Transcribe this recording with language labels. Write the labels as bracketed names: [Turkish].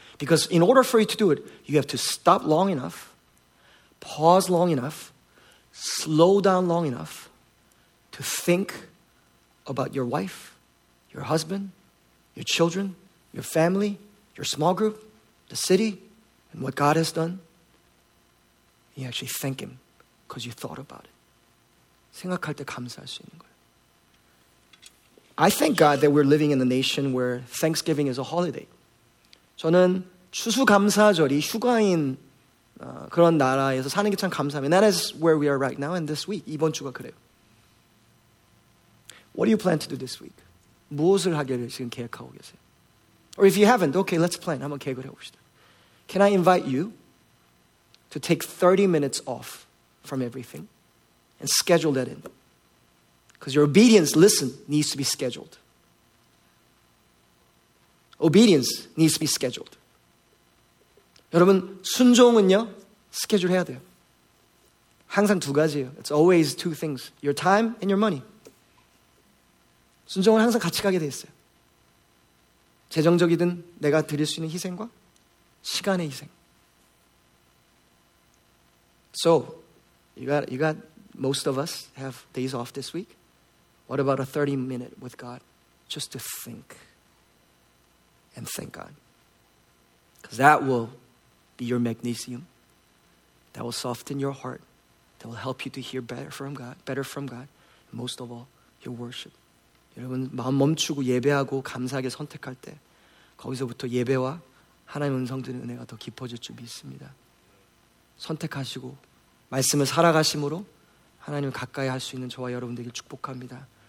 [English] Because in order for you to do it, you have to stop long enough, pause long enough, slow down long enough to think about your wife, your husband, your children, your family, your small group, the city, and what God has done. You actually thank him because you thought about it. [Korean] 생각할 때 감사할 수 있는 거예요. [English] I thank God that we're living in a nation where Thanksgiving is a holiday. [Korean] 저는 추수감사절이 휴가인 그런 나라에서 사는 게 참 감사합니다. [English] That is where we are right now and this week. [Korean] 이번 주가 그래요. [English] What do you plan to do this week? [Korean] 무엇을 하기를 지금 계획하고 계세요? [English] Or if you haven't, okay, let's plan. [Korean] 한번 계획을 해봅시다. [English] Can I invite you to take 30 minutes off from everything? And schedule that in. Because your obedience, listen, needs to be scheduled. Obedience needs to be scheduled. [Korean] 여러분, 순종은요, schedule 해야 돼요. 항상 두 가지예요. [English] It's always two things. Your time and your money. [Korean] 순종은 항상 같이 가게 돼 있어요. 재정적이든 내가 드릴 수 있는 희생과 시간의 희생. [English] So, you got... Most of us have days off this week. What about a 30-minute with God just to think and thank God? Because that will be your magnesium. That will soften your heart. That will help you to hear better from God. And most of all, your worship. [Korean] 여러분, 마음 멈추고 예배하고 감사하게 선택할 때 거기서부터 예배와 하나님 음성 듣는 은혜가 더 깊어질 줄 믿습니다. 선택하시고 말씀을 살아가심으로 하나님을 가까이 할 수 있는 저와 여러분들에게 축복합니다.